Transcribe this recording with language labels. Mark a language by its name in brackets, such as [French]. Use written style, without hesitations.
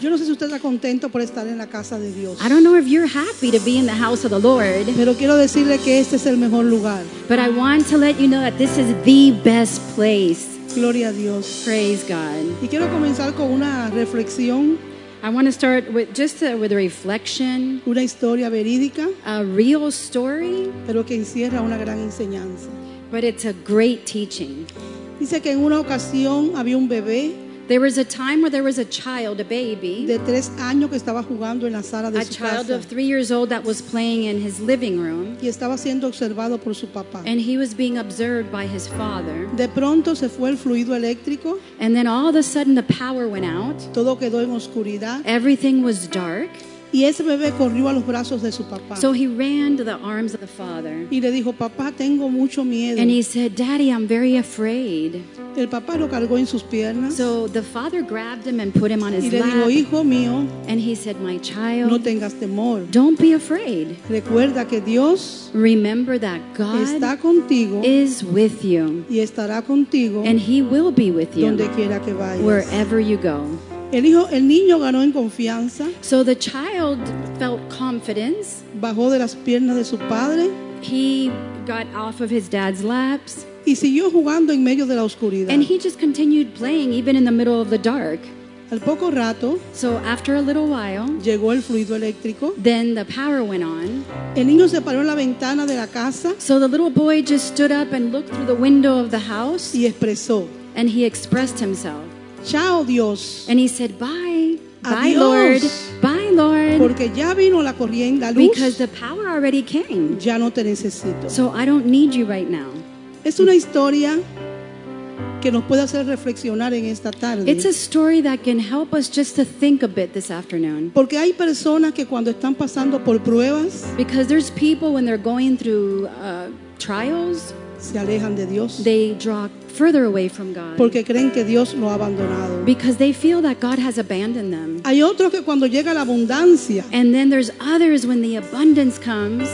[Spanish] Yo no sé si usted está contento por estar en la casa de Dios. [English] I don't know if you're happy to be in the house of the Lord. [Spanish] Pero quiero decirle que este es el mejor lugar. [English] But I want to let you know that this is the best place. [Spanish] Gloria a Dios. [English] Praise God. [Spanish] Y quiero comenzar con una reflexión. [English] I want to start with just with a reflection. [Spanish] Una historia verídica. [English] A real story. [Spanish] Pero que encierra una gran enseñanza. [English] But it's a great teaching. [Spanish] Dice que en una ocasión había un bebé. [English] There was a time where there was a child, a baby. [Spanish] De 3 años que estaba jugando en la sala de su casa. [English] A child of 3 years old that was playing in his living room. [Spanish] Y estaba siendo observado por su papá. [English] And he was being observed by his father. [Spanish] De pronto se fue el fluido eléctrico. [English] And then all of a sudden the power went out. [Spanish] Todo quedó en oscuridad. [English] Everything was dark. [Spanish] Y ese bebé corrió a los brazos de su papá. [English] So he ran to the arms of the father. [Spanish] Y le dijo, papá, tengo mucho miedo. [English] And he said, Daddy, I'm very afraid. [Spanish] El papá lo cargó en sus piernas. [English] So the father grabbed him and put him on his lap. [Spanish] Y le dijo, hijo mío. [English] And he said, my child. [Spanish] No tengas temor. [English] Don't be afraid. [Spanish] Recuerda que Dios. [English] Remember that God. [Spanish] Está contigo. [English] Is with you. [Spanish] Y estará contigo. [English] And he will be with you. [Spanish] Donde quiera que vayas. [English] Wherever you go. [Spanish] El niño ganó en confianza. [English] So the child felt confidence. [Spanish] Bajó de las piernas de su padre. [English] He got off of his dad's laps. [Spanish] Y siguió jugando en medio de la oscuridad. [English] And he just continued playing even in the middle of the dark. [Spanish] Al poco rato, [English] so after a little while, [Spanish] llegó el fluido eléctrico. [English] Then the power went on. [Spanish] El niño se paró en la ventana de la casa. [English] So the little boy just stood up and looked through the window of the house. [Spanish] Y expresó. [English] And he expressed himself. [Spanish] Chao, Dios. [English] And he said, bye. [Spanish] Adiós. [English] Bye, Lord. Bye, Lord. [Spanish] Porque ya vino la corriente, la luz. [English] Because the power already came. [Spanish] Ya no te necesito. [English] So I don't need you right now. [Spanish] Es una historia que nos puede hacer reflexionar en esta tarde. [English] It's a story that can help us just to think a bit this afternoon. [Spanish] Porque hay personas que cuando están pasando por pruebas. [English] Because there's people when they're going through trials. [Spanish] Se alejan de Dios. [English] They draw further away from God. [Spanish] Porque creen que Dios lo ha abandonado. [English] Because they feel that God has abandoned them. [Spanish] Hay otros que cuando llega la abundancia. [English] And then there's others when the abundance comes.